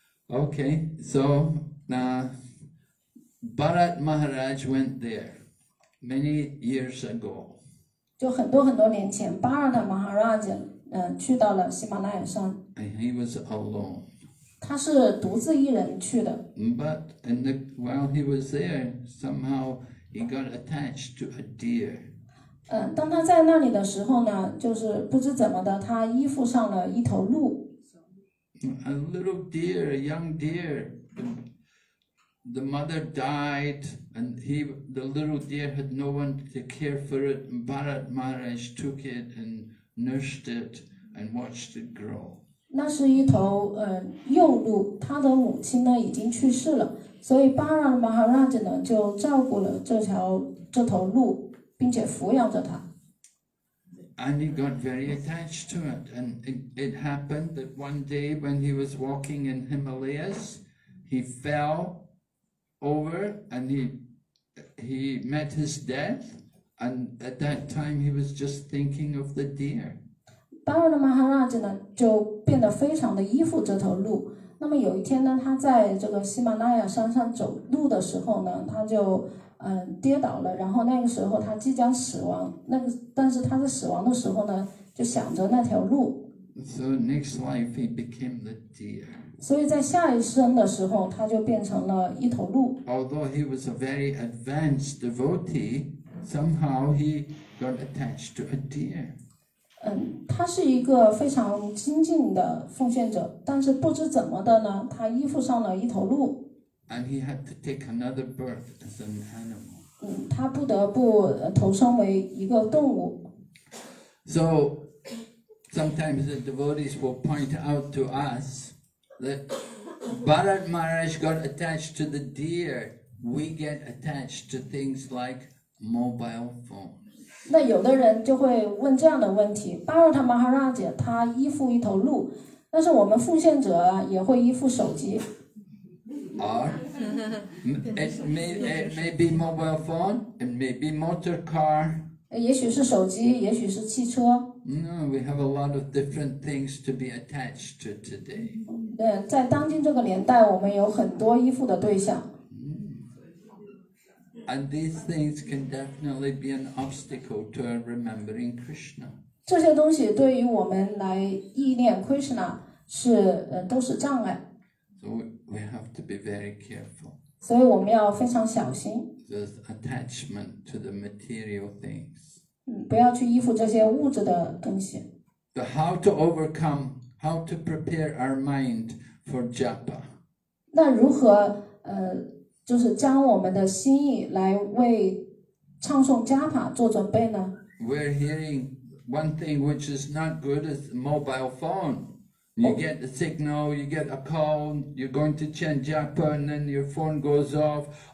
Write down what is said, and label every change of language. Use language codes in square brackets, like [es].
[en] Okay, so Bharat Maharaj went there many years ago. [zh] 就很多很多年前，巴尔的马哈拉杰，去到了喜马拉雅山。 [en] And he was alone. [zh] 他是独自一人去的。 [en] But while he was there, somehow he got attached to a deer. [zh] 当他在那里的时候呢，就是不知怎么的，他依附上了一头鹿。 [en] A little deer, a young deer. The mother died. And the little deer had no one to care for it. Bharat Maharaj took it and nursed it and watched it grow. [zh] 那是一头幼鹿，它的母亲呢已经去世了，所以巴拉马哈拉吉呢就照顾了这头鹿，并且抚养着它。 [en] And he got very attached to it. And it happened that one day when he was walking in Himalayas, he fell. Over and he he met his death, and at that time he was just thinking of the deer. [zh] 巴尔的马哈拉真的就变得非常的依附这头鹿。那么有一天呢，他在这个喜马拉雅山上走路的时候呢，他就跌倒了，然后那个时候他即将死亡，但是他在死亡的时候呢，就想着那条鹿。 [en] So next life he became the deer. [zh] 所以在下一生的时候，他就变成了一头鹿。 [en] Although he was a very advanced devotee, somehow he got attached to a deer. [zh] 他是一个非常精进的奉献者，但是不知怎么的呢，他依附上了一头鹿。 [en] And he had to take another birth as an animal. [zh] 他不得不投生为一个动物。 [en] So. Sometimes the devotees will point out to us that Bharat Maharaj got attached to the deer. We get attached to things like mobile phones. [zh] 那有的人就会问这样的问题：巴尔塔马哈拉姐他依附一头鹿，但是我们奉献者也会依附手机。 [en] Or it may be mobile phone, it may be motor car. [zh] 也许是手机，也许是汽车。 [en] No, we have a lot of different things to be attached to today. [zh] 在当今这个年代，我们有很多依附的对象。 [en] And these things can definitely be an obstacle to our remembering Krishna. [zh] 这些东西对于我们来忆念 Krishna 是都是障碍。 [en] So we have to be very careful. [zh] 所以我们要非常小心。 [en] There's attachment to the material things. [zh] 不要去依附这些物质的东西。 [en] But how to overcome, how to prepare our mind for japa? [zh] 那如何就是将我们的心意来为唱诵japa做准备呢？ [en] We're hearing one thing which is not good is mobile phone. You get the signal, you get a call, you're going to chant japa and then your phone goes off.